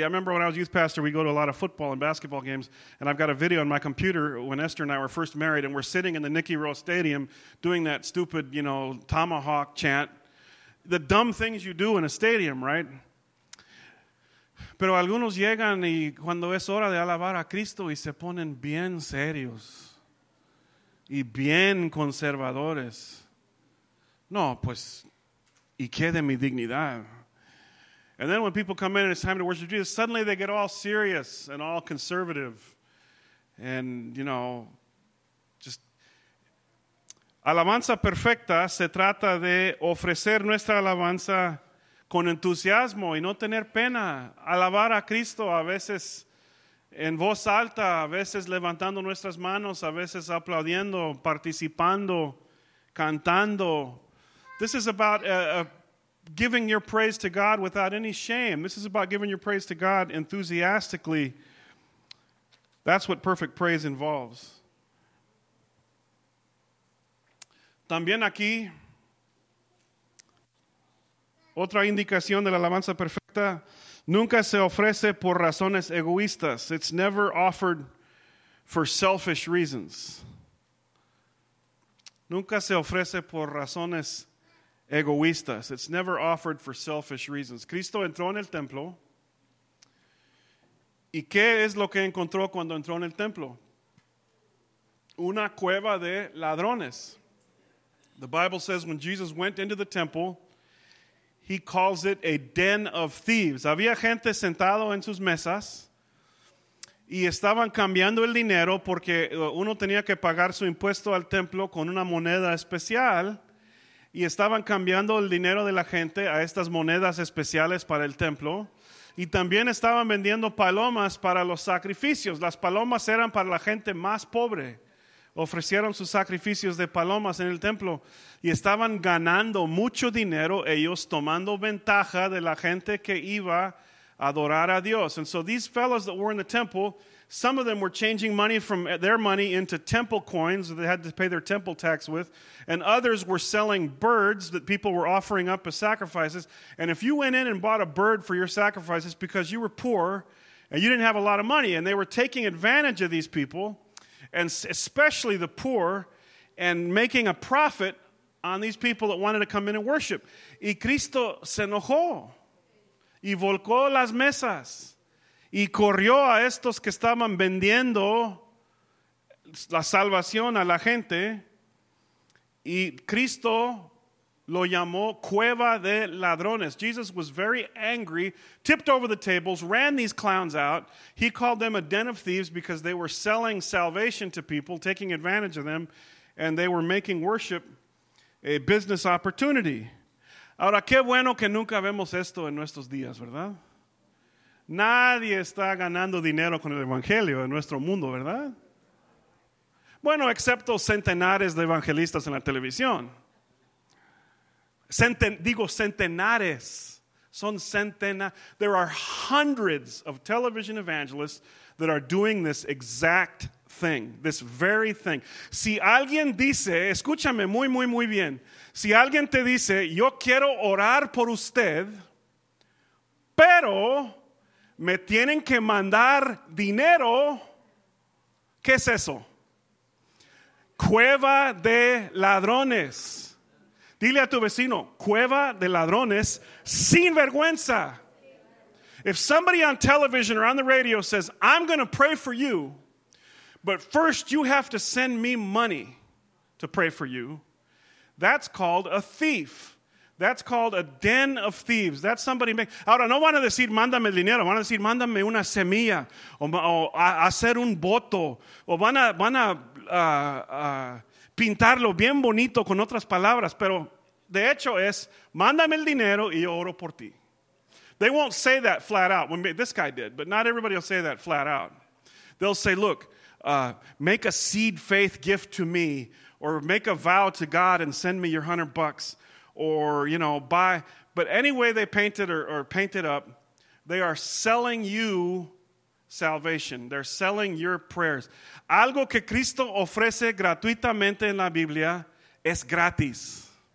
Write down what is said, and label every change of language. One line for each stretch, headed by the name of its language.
English: I remember when I was youth pastor, we'd go to a lot of football and basketball games, and I've got a video on my computer when Esther and I were first married, and we're sitting in the Nicky Rowe Stadium doing that stupid, you know, tomahawk chant. The dumb things you do in a stadium, right?
Spanish: Pero algunos llegan y cuando es hora de alabar a Cristo y se ponen bien serios y bien conservadores. No, pues, ¿y qué de mi dignidad?
English: And then when people come in and it's time to worship Jesus, suddenly they get all serious and all conservative. And, you know, just...
Spanish: Alabanza perfecta se trata de ofrecer nuestra alabanza con entusiasmo y no tener pena. Alabar a Cristo a veces en voz alta, a veces levantando nuestras manos, a veces aplaudiendo, participando, cantando.
English: This is about... giving your praise to God without any shame. This is about giving your praise to God enthusiastically. That's what perfect praise involves.
Spanish: También aquí, otra indicación de la alabanza perfecta, nunca se ofrece por razones egoístas.
English: It's never offered for selfish reasons.
Spanish: Nunca se ofrece por razones egoístas.
English: It's never offered for selfish reasons.
Spanish: Cristo entró en el templo. ¿Y qué es lo que encontró cuando entró en el templo? Una cueva de ladrones. The Bible says when Jesus went into the temple, he calls it a den of thieves. Había gente sentado en sus mesas y estaban cambiando el dinero porque uno tenía que pagar su impuesto al templo con una moneda especial. Y estaban cambiando el dinero de la gente a estas monedas especiales para el templo. Y también estaban vendiendo palomas para los sacrificios. Las palomas eran para la gente más pobre. Ofrecieron sus sacrificios de palomas en el templo. Y estaban ganando mucho dinero ellos tomando ventaja de la gente que iba a adorar a Dios.
English: And so these fellows that were in the temple, some of them were changing money from their money into temple coins that they had to pay their temple tax with, and others were selling birds that people were offering up as sacrifices. And if you went in and bought a bird for your sacrifices because you were poor and you didn't have a lot of money, and they were taking advantage of these people, and especially the poor, and making a profit on these people that wanted to come in and worship.
Spanish: Y Cristo se enojó y volcó las mesas. Y corrió a estos que estaban vendiendo la salvación a la gente. Y Cristo lo llamó cueva de ladrones.
English: Jesus was very angry, tipped over the tables, ran these clowns out. He called them a den of thieves because they were selling salvation to people, taking advantage of them, and they were making worship a business opportunity.
Spanish: Ahora, qué bueno que nunca vemos esto en nuestros días, ¿verdad? Nadie está ganando dinero con el evangelio en nuestro mundo, ¿verdad? Bueno, excepto centenares de evangelistas en la televisión. Centenares. Son centenares.
English: There are hundreds of television evangelists that are doing this exact thing, this very thing.
Spanish: Si alguien dice, escúchame muy, muy, muy bien. Si alguien te dice, yo quiero orar por usted, pero me tienen que mandar dinero. ¿Qué es eso? Cueva de ladrones. Dile a tu vecino, cueva de ladrones, sin vergüenza.
English: If somebody on television or on the radio says, I'm going to pray for you, but first you have to send me money to pray for you, That's called a thief. That's called a den of thieves. That's somebody make.
Spanish: Ahora, no van a decir, mándame el dinero. Van a decir, mándame una semilla. O hacer un voto. O van a pintarlo bien bonito con otras palabras. Pero de hecho es, mándame el dinero y yo oro por ti.
English: They won't say that flat out. This guy did, but not everybody will say that flat out. They'll say, look, make a seed faith gift to me, or make a vow to God and send me your $100, or, you know, buy. But any way they paint it or paint it up, they are selling you salvation. They're selling your prayers.
Spanish: Algo que Cristo ofrece gratuitamente en la Biblia es gratis.